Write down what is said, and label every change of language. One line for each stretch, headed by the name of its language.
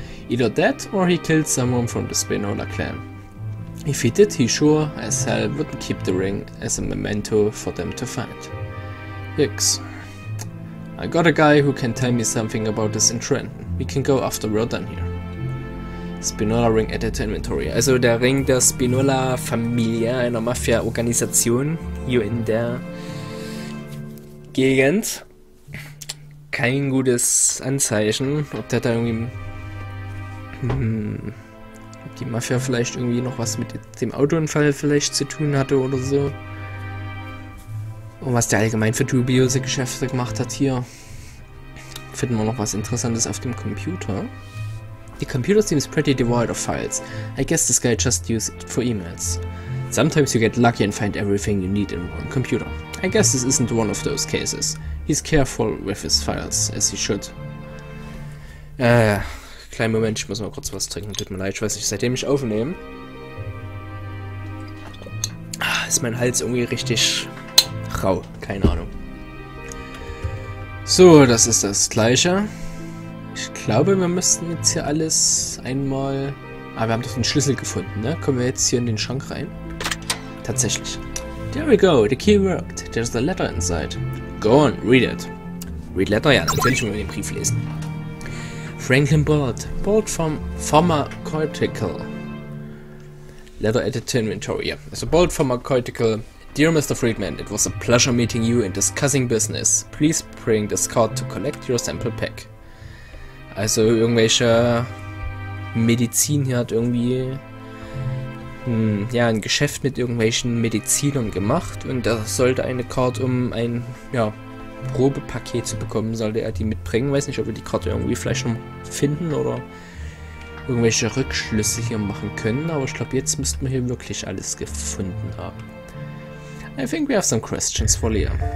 English: Either that, or he killed someone from the Spinola clan. If he did, he sure as hell wouldn't keep the ring as a memento for them to find. Yikes. I got a guy who can tell me something about this in Trenton. We can go after we're done here. Spinola ring added to inventory.
German: Also der Ring der Spinola Familie, einer Mafia-Organisation hier in der Gegend. Kein gutes Anzeichen, ob der da irgendwie die Mafia vielleicht irgendwie noch was mit dem Autounfall vielleicht zu tun hatte oder so. Und was der allgemein für dubiose Geschäfte gemacht hat hier. Finden wir noch was Interessantes auf dem Computer.
English: The computer seems pretty devoid of files. I guess this guy just used it for emails. Sometimes you get lucky and find everything you need in one computer. I guess this isn't one of those cases. He's careful with his files, as he should.
German: Kleinen Moment, ich muss mal kurz was trinken. Tut mir leid, ich weiß nicht, seitdem ich aufnehme, ist mein Hals irgendwie richtig rau. Keine Ahnung. So, das ist das Gleiche. Ich glaube, wir müssten jetzt hier alles einmal... Ah, wir haben doch den Schlüssel gefunden, ne? Kommen wir jetzt hier in den Schrank rein?
English: Tatsächlich. There we go, the key worked. There's a letter inside. Go on, read it. Read letter?
German: Ja, natürlich müssen wir den Brief lesen. Franklin Bolt.
English: Bolt from Pharmaceutical. Letter editor inventory. So, Bolt Pharmaceutical. Dear Mr. Friedman, it was a pleasure meeting you and discussing business. Please bring this card to collect your sample pack.
German: Also, irgendwelche Medizin hier hat irgendwie ein Geschäft mit irgendwelchen Medizinern gemacht und er sollte eine Card, um ein Probepaket zu bekommen, sollte er die mitbringen. Weiß nicht, ob wir die Karte irgendwie vielleicht noch finden oder irgendwelche Rückschlüsse hier machen können, aber ich glaube, jetzt müssten wir hier wirklich alles gefunden haben.
English: I think we have some questions for Leah.